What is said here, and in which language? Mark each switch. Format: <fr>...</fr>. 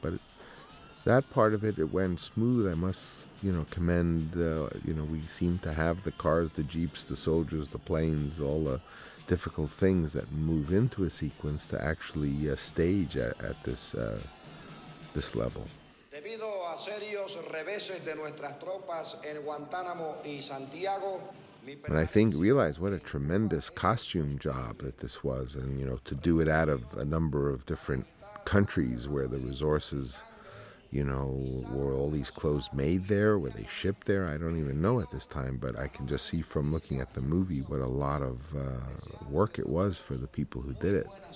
<en>But that part of it went smooth. I must, you know, commend, you know, we seemed to have the cars, the jeeps, the soldiers, the planes, all the difficult things that move into a sequence to actually stage at this this level.</en> <es>Debido a serios reveses de nuestras tropas en Guantánamo y Santiago,</es> <en>And I think realize what a tremendous costume job that this was, and you know, to do it out of a number of different countries where the resources, you know, were all these clothes made there, were they shipped there? I don't even know at this time, but I can just see from looking at the movie what a lot of work it was for the people who did it.</en>